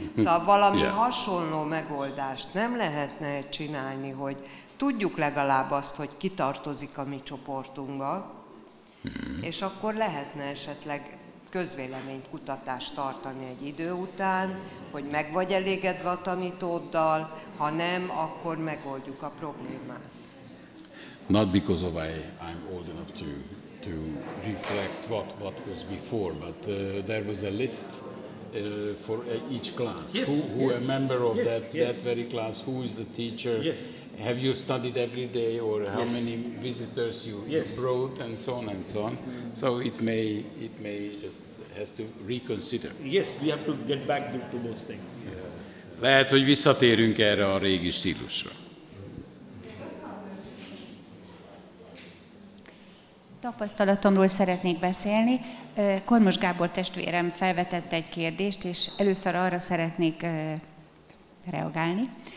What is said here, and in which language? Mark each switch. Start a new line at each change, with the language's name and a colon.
Hungarian: Szóval valami hasonló megoldást nem lehetne csinálni, hogy tudjuk legalább azt, hogy ki tartozik a mi csoportunkba, és akkor lehetne esetleg közvéleménykutatást tartani egy idő után, hogy meg vagy elégedve a tanítóddal, ha nem, akkor megoldjuk a problémát.
English: Not because of I'm old enough to reflect what was before, but there was a list for each class. Yes, who yes, a member of yes, that, yes. that very class, who is the teacher? Yes. Have you studied every day or how yes. many visitors you yes. brought and so on and so on. So it may just has to reconsider. Yes, we have to get back to those things. Yeah.
Hungarian: Lehet, hogy visszatérünk erre a régi stílusra. Tapasztalatomról szeretnék beszélni. Kormos Gábor testvérem felvetette egy kérdést, és először arra szeretnék reagálni.